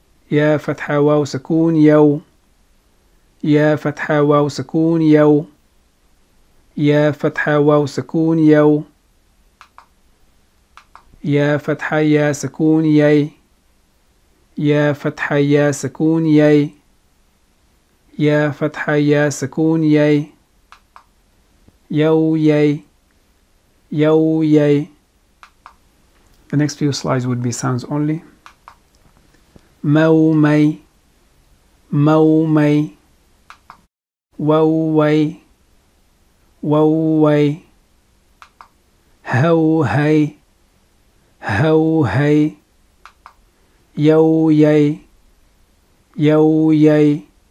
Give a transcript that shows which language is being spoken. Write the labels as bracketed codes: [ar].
[ar] يا فتحة واو سكون يو يا فتحة واو سكون يو يا فتحة واو سكون يو يا فتحة يا سكون يي يا فتحة يا سكون يي يا فتحة يا سكون يي يو يي يو يي. [en] The next few slides would be sounds only. [ar] مو مي مو مي وو وي وو وي هو هي هو هي يو يي يو يي.